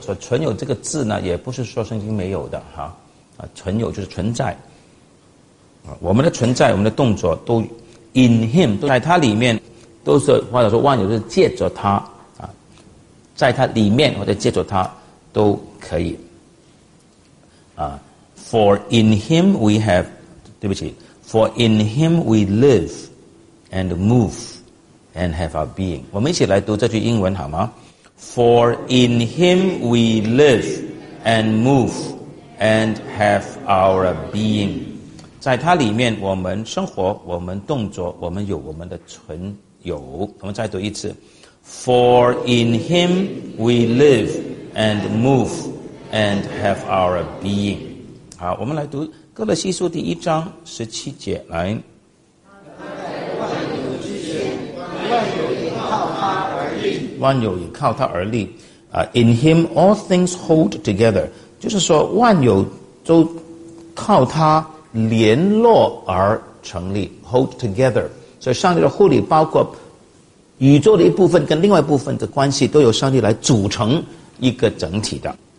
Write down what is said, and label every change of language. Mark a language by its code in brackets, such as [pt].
[zh] 所以存有这个字呢，也不是说圣经没有的哈，啊，存有就是存在，啊，我们的存在，我们的动作都 in him， 都在他里面，都是或者说万有是借着他啊，在他里面或者借着他都可以啊。 [en] For in him we have，对不起，For in him we live and move。 And have our being. [zh] 我们一起来读这句英文好吗？ [en] For in him we live and move and have our being. [zh] 在他里面我们生活，我们动作，我们有我们的存有。我们再读一次。 [en] For in him we live and move and have our being. [zh] 好，我们来读哥罗西书1:17。来，万有也靠他而立， in him all things hold together，就是说万有都靠他联络而成立， hold together， 所以上帝的护理包括宇宙的一部分跟另外一部分的关系都由上帝来组成一个整体的。